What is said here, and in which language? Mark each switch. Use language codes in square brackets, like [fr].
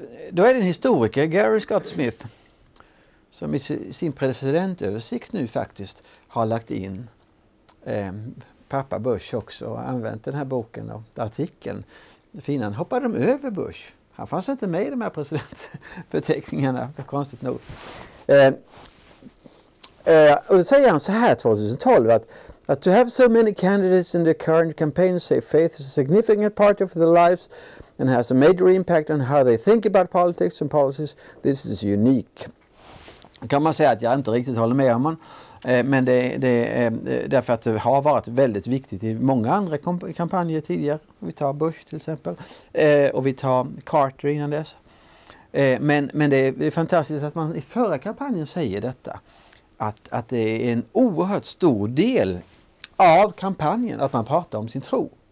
[sv] Då är det en historiker, Gary Scott Smith, som i sin presidentöversikt nu faktiskt har lagt in pappa Bush också och använt den här boken och artikeln. Finan hoppade de över Bush. Han fanns inte med i de här presidentförteckningarna, konstigt nog. Och då säger han så här 2012, att [en] to have so many candidates in the current campaign say faith is a significant part of their lives and has a major impact on how they think about politics and policies, this is unique. [sv] Kan man säga att jag inte riktigt håller med om, men det är därför att det har varit väldigt viktigt i många andra kampanjer tidigare. Vi tar Bush till exempel och vi tar Carter innan dess. Men det är fantastiskt att man i förra kampanjen säger detta, att det är en oerhört stor del av kampanjen att man pratar om sin tro.